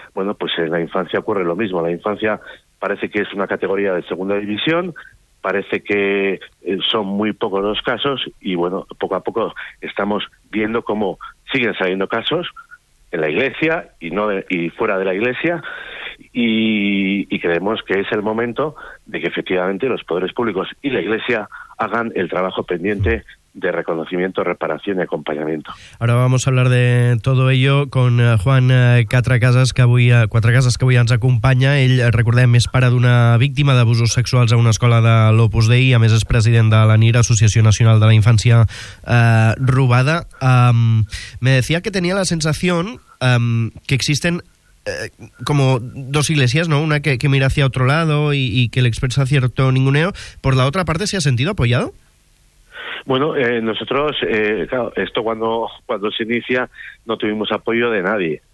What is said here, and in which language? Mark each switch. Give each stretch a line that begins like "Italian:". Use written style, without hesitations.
Spanish: Bueno, pues en la infancia ocurre lo mismo. La infancia parece que es una categoría de segunda división, parece que son muy pocos los casos, y bueno, poco a poco estamos viendo cómo siguen saliendo casos en la iglesia y no y fuera de la iglesia, y creemos que es el momento de que efectivamente los poderes públicos y la iglesia hagan el trabajo pendiente de reconocimiento, reparación y acompañamiento. Ahora vamos a hablar de todo ello con Juan Catracases, que
Catalan: avui, ens acompanya. Ell, recordem, és pare d'una víctima d'abusos sexuals a una escola de l'Opus Dei, a més és president de l'ANIR, Associació Nacional de la Infància Robada.
Spanish: Me decía que tenía la sensación que existen como dos iglesias, ¿no? Una que mira hacia otro lado y que le expresa cierto ninguneo. Por la otra parte, ¿se ha sentido apoyado? Bueno, nosotros, claro, esto cuando se inicia no tuvimos apoyo de nadie.